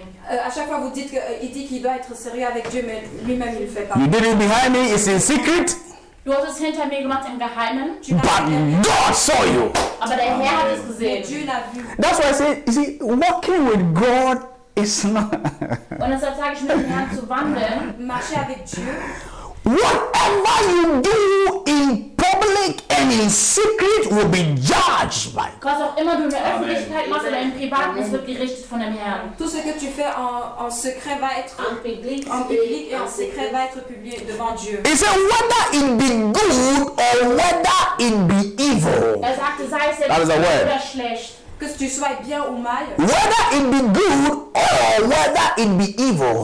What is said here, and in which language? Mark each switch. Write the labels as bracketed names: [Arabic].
[French] À chaque fois vous dites que il dit qu'il doit être sérieux avec Dieu, mais lui-même il le fait pas. [English] You did it behind me, it's in secret. [German] Du hast es hinter mir gemacht im Geheimen. [English] But God saw you. [German] Aber der Herr hat es gesehen. [French] Dieu l'a vu. [English] That's why I say, you see, walking with God is not. [German] Und deshalb sage ich mit dem Herrn zu wandeln. [French] Marcher avec Dieu. [English] Whatever whatever you do in public and in secret will be judged by. [German] Was auch immer du in der Öffentlichkeit machst oder im Privaten, es wird gerichtet von dem Herrn. [French] Tout ce que tu fais en secret va être en public et en secret va être publié devant Dieu. [English] He said, whether it be good or whether it be evil. That is a word. [French] Que tu sois bien ou mal. [English] Whether it be good or whether it be evil.